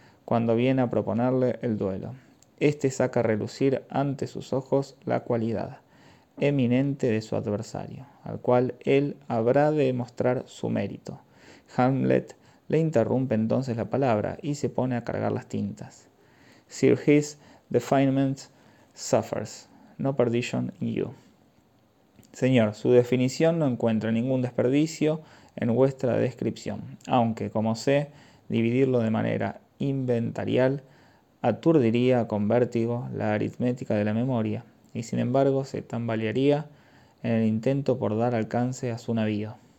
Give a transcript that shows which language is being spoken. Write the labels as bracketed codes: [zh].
[es] cuando viene a proponerle el duelo. Este saca a relucir ante sus ojos la cualidad eminente de su adversario, al cual él habrá de demostrar su mérito. Hamlet le interrumpe entonces la palabra y se pone a cargar las tintas. [en] Sir, his definition suffers, no perdition in you. [es] Señor, su definición no encuentra ningún desperdicio en vuestra descripción, aunque, como sé, dividirlo de manera inventarial aturdiría con vértigo la aritmética de la memoria, y sin embargo se tambalearía en el intento por dar alcance a su navío.